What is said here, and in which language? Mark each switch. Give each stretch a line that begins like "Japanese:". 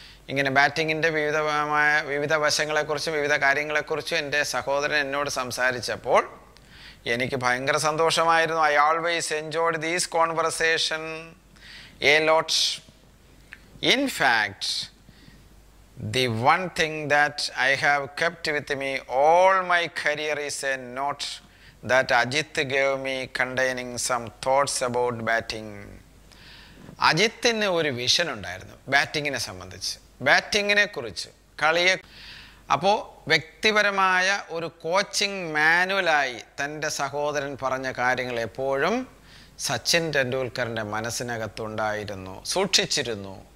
Malayalam: ഇങ്ങനെ ബാറ്റിങ്ങിൻ്റെ വിവിധ വശങ്ങളെക്കുറിച്ചും വിവിധ കാര്യങ്ങളെക്കുറിച്ചും എൻ്റെ സഹോദരൻ എന്നോട് സംസാരിച്ചപ്പോൾ എനിക്ക് ഭയങ്കര സന്തോഷമായിരുന്നു.
English: I always enjoyed these conversation a lot. In fact the one thing that I have kept with me all my career is a note that Ajit gave me containing some thoughts about batting.
Malayalam: അജിത്തിന് ഒരു vision ഉണ്ടായിരുന്നു ബാറ്റിങ്ങിനെ സംബന്ധിച്ച്, ബാറ്റിങ്ങിനെ കുറിച്ച് കളിയെ. അപ്പോൾ വ്യക്തിപരമായ ഒരു coaching മാനുവലായി തൻ്റെ സഹോദരൻ പറഞ്ഞ കാര്യങ്ങൾ എപ്പോഴും സച്ചിൻ ടെണ്ടുൽക്കറിൻ്റെ മനസ്സിനകത്തുണ്ടായിരുന്നു, സൂക്ഷിച്ചിരുന്നു.